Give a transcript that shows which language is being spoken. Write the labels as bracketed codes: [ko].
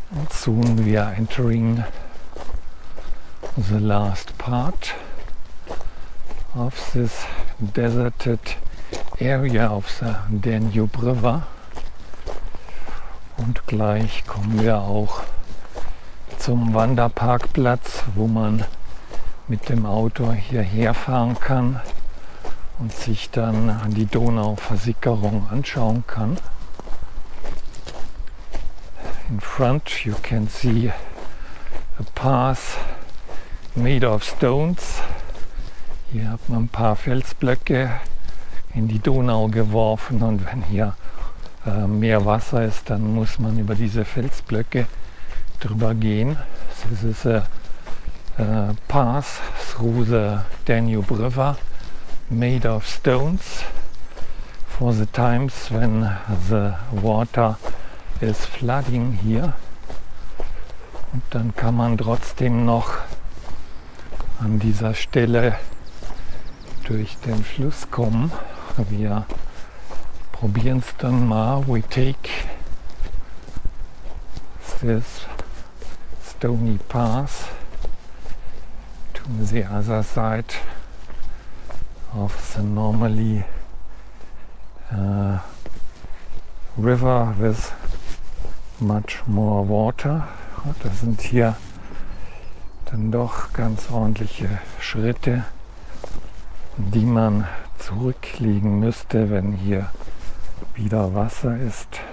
[en] Soon we are entering the last part of this deserted area of the Danube River. [de] Und gleich kommen wir auch zum Wanderparkplatz, wo man mit dem Auto hierher fahren kann und sich dann an die Donauversickerung anschauen kann. [en] In front you can see a path made of stones. [de] Hier hat man ein paar Felsblöcke in die Donau geworfen und wenn hier mehr Wasser ist, dann muss man über diese Felsblöcke drüber gehen. [en] This is a path through the Danube River made of stones for the times when the water is flooding here. [de] Und dann kann man trotzdem noch an dieser Stelle durch den Fluss kommen. Wir probieren es dann mal. [en] We take this stony path to the other side of the normally river with much more water. [de] Das sind hier dann doch ganz ordentliche Schritte, die man zurücklegen müsste, wenn hier wieder Wasser ist.